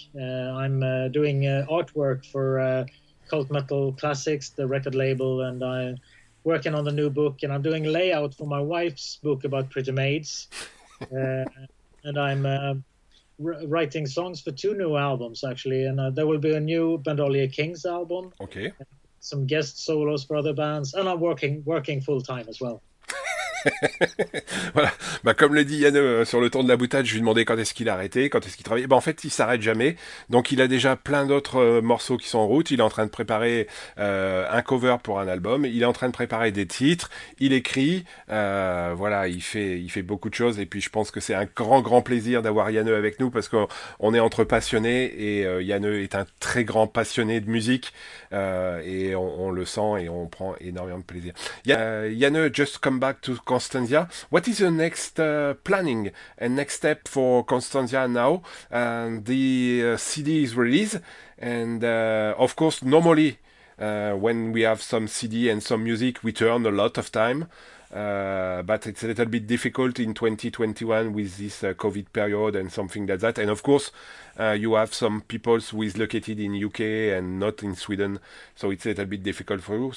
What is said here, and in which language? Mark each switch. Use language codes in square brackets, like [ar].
[en] I'm doing artwork for Cult Metal Classics, the record label, and I'm working on the new book, and I'm doing layout for my wife's book about pretty maids. And I'm writing songs for two new albums, actually, and there will be a new Bandolier Kings album. Okay. Some guest solos for other bands, and I'm working full-time as well. [fr] Voilà. Bah, comme le dit Yann sur le ton de la boutade, je lui demandais quand est-ce qu'il arrêtait, quand est-ce qu'il travaillait. Bah, en fait, il s'arrête jamais. Donc, il a déjà plein d'autres morceaux qui sont en route. Il est en train de préparer un cover pour un album. Il est en train de préparer des titres. Il écrit. Voilà, il fait beaucoup de choses. Et puis, je pense que c'est un grand, grand plaisir d'avoir Yann avec nous parce qu'on est entre passionnés. Et Yann est un très grand passionné de musique. Et on le sent et on prend énormément de plaisir. [en] Yann, just come back to Constanzia. What is the next planning and next step for Constanzia now? The CD is released, and of course, normally when we have some CD and some music, we turn a lot of time, but it's a little bit difficult in 2021 with this COVID period and something like that. And of course, you have some people who is located in UK and not in Sweden, so it's a little bit difficult for you.